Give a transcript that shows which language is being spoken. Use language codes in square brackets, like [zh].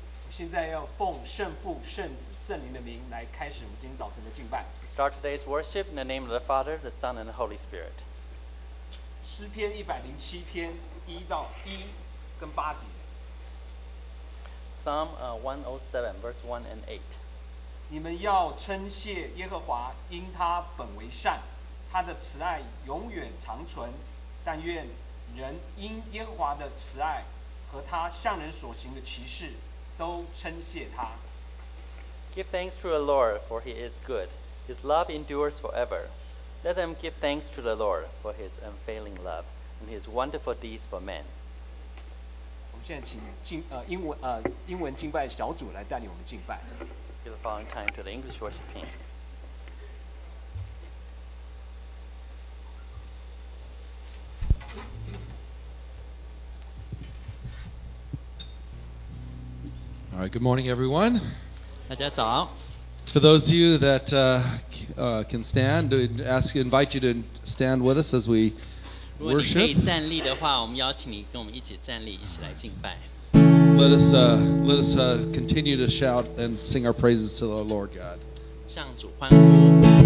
[zh] 现在要奉圣父、圣子、圣灵的名来开始我们今天早晨的敬拜。 [en] Start today's worship in the name of the Father, the Son, and the Holy Spirit. [zh] 诗篇一百零七篇一到一跟八节。 [en] Psalm 107, verse 1 and 8. [zh] 你们要称谢耶和华，因他本为善，他的慈爱永远长存。但愿人因耶和华的慈爱和他向人所行的奇事都称谢他。 [en] Give thanks to the Lord, for he is good. His love endures forever. Let them give thanks to the Lord for his unfailing love and his wonderful deeds for men. [zh] 现在请英文敬拜小组来带领我们敬拜。 [en] Give the following time to the English worship team. All right. Good morning, everyone. [zh] 大家早。 [en] For those of you that can stand, invite you to stand with us as we worship. [zh] 如果你可以站立的话，我们邀请你跟我们一起站立，一起来敬拜。 [en] Let us continue to shout and sing our praises to the Lord God. [zh] 向主欢呼。